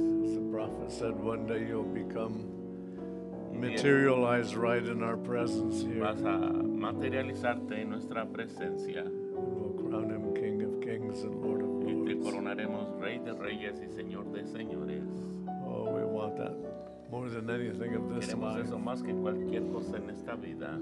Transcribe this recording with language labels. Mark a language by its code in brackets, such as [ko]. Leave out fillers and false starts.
[en] As the prophet said, one day you'll become materialized right in our presence here. [es] Vas a materializarte en nuestra presencia. [en] And we'll crown him King of Kings and Lord of Lords. [es] Y te coronaremos Rey de Reyes y Señor de Señores. [en] Oh, we want that more than anything of this life. [es] Queremos eso más que cualquier cosa en esta vida.